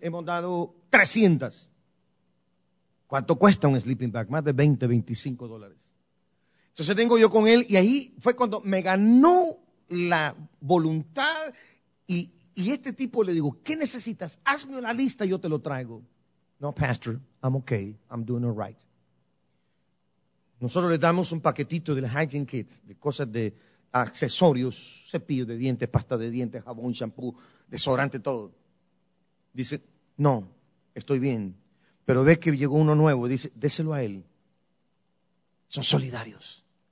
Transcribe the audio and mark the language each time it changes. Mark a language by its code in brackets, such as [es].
[es] Hemos dado 300. ¿Cuánto cuesta un sleeping bag? Más de 20, 25 dólares. Entonces tengo yo con él y ahí fue cuando me ganó la voluntad. Y este tipo le digo, ¿qué necesitas? Hazme la lista y yo te lo traigo. [en] No, pastor, I'm okay, I'm doing all right. [es] Nosotros le damos un paquetito del hygiene kit, de cosas de accesorios, cepillo de dientes, pasta de dientes, jabón, shampoo, desodorante, todo. Dice, no, estoy bien. Pero ve que llegó uno nuevo, dice, déselo a él. Son solidarios.